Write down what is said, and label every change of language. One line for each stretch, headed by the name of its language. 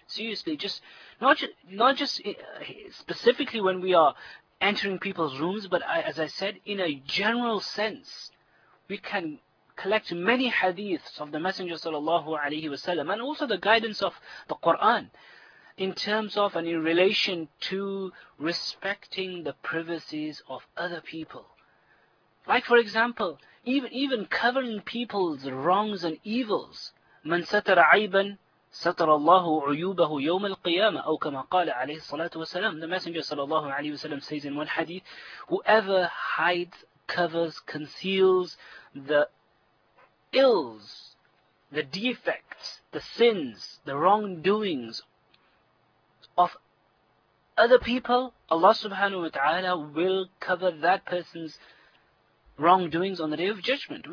English: Seriously, just not just specifically when we are entering people's rooms, but as I said, in a general sense, we can collect many hadiths of the Messenger sallallahu alayhi wa sallam, and also the guidance of the Quran, in terms of and in relation to respecting the privacies of other people. Like, for example, even covering people's wrongs and evils.
Arabic: من ستر عيباً ستر الله عيوبه يوم القيامة أو كما قال عليه الصلاة والسلام.
English: The Messenger
Arabic: صلى الله عليه وسلم
English: says in one hadith, whoever hides, covers, conceals the ills, the defects, the sins, the wrongdoings of other people, Allah subhanahu wa ta'ala will cover that person's wrongdoings on the Day of Judgment.